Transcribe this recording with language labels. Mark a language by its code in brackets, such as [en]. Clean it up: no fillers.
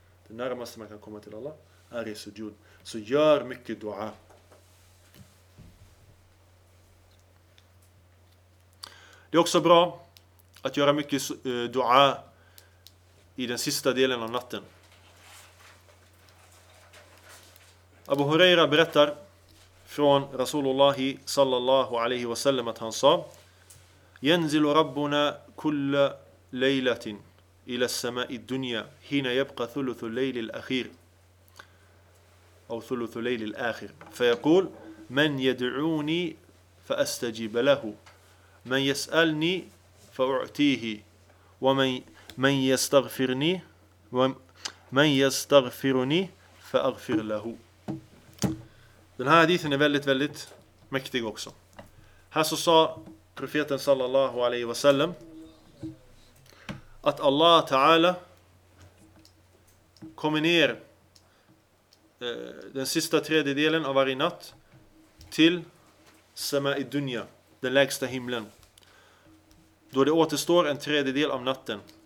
[sv] Det närmaste man kan komma till Allah är i sujud. Så gör mycket dua. Det är också bra att göra mycket dua i den sista delen av natten. Abu Huraira berättar från Rasulullah sallallahu alaihi wasallam att han sa: [ar] ينزل ربنا كل ليلة إلى السماء الدنيا حين يبقى ثلث الليل الأخير أو ثلث الليل الآخر فيقول من يدعوني فأستجيب له من يسألني فأعطيه ومن يستغفرني ومن يستغفرني فأغفر له. [sv] Den här hadithen är väldigt väldigt mäktig också. Här så sa profeten sallallahu alaihi wasallam att Allah ta'ala kommer ner den sista tredjedelen av varje natt till sama'i dunya, den lägsta himlen, då det återstår en tredjedel av natten.